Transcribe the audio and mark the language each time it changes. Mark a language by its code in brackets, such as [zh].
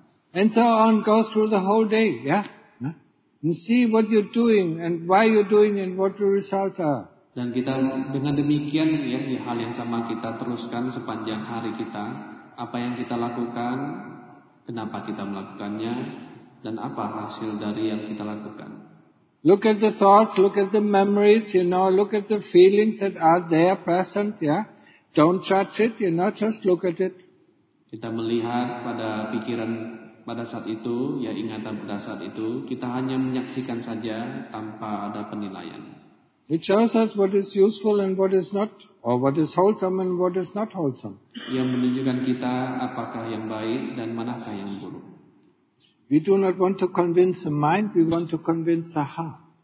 [en] And so on goes through the whole day, yeah. And see what you're doing and why you're doing and what the results are. [id] Dan kita dengan demikian ya di hal yang sama kita teruskan sepanjang hari kita apa yang kita lakukan, kenapa kita melakukannya, dan apa hasil dari yang kita lakukan. [en] Look at the thoughts, look at the memories, you know, look at the feelings that are there present, yeah. Don't judge it, you know, just look at it. [id] Kita melihat pada pikiran. Pada saat itu, ya ingatan pada saat itu, kita hanya menyaksikan saja tanpa ada penilaian. [en] It shows us what is useful and what is not, or what is wholesome and what is not wholesome. [id] Yang menunjukkan kita apakah yang baik dan manakah yang buruk. [en] We do not want to convince the mind, we want to convince the heart.